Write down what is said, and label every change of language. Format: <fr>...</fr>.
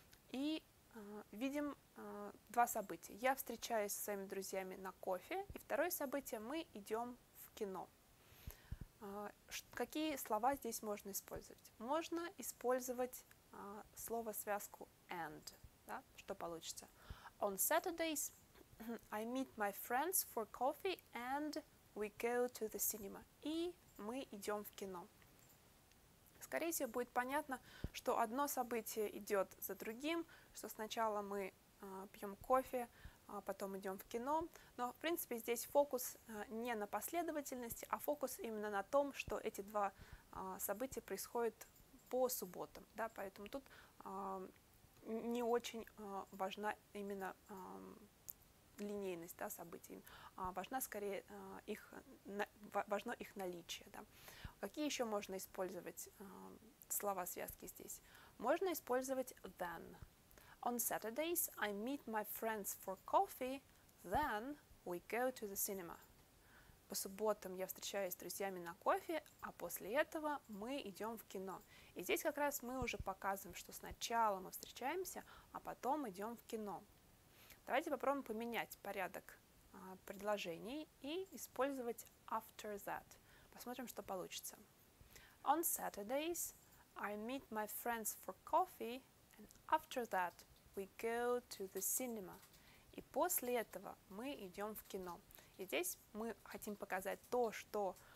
<ru>И видим два события. Я встречаюсь со своими друзьями на кофе. И второе событие, мы идем в кино. Какие слова здесь можно использовать? Можно использовать слово-связку and. Да, что получится.</ru> <en>On Saturdays I meet my friends for coffee and we go to the cinema.</en> <ru>И мы идем в кино. Скорее всего, будет понятно, что одно событие идет за другим, что сначала мы пьем кофе, а потом идем в кино. Но, в принципе, здесь фокус не на последовательности, а фокус именно на том, что эти два события происходят по субботам. Да, поэтому тут не очень важна именно линейность, да, событий, а важна скорее их, важно их наличие. Да. Какие еще можно использовать слова-связки здесь? Можно использовать then.</ru> <en>On Saturdays I meet my friends for coffee, then we go to the cinema.</en> <ru>По субботам я встречаюсь с друзьями на кофе, а после этого мы идем в кино. И здесь как раз мы уже показываем, что сначала мы встречаемся, а потом идем в кино. Давайте попробуем поменять порядок предложений и использовать after that. Посмотрим, что получится.</ru> <en>On Saturdays I meet my friends for coffee, and after that we go to the cinema.</en> <ru>И после этого мы идем в кино. И здесь мы хотим показать то, что</ru>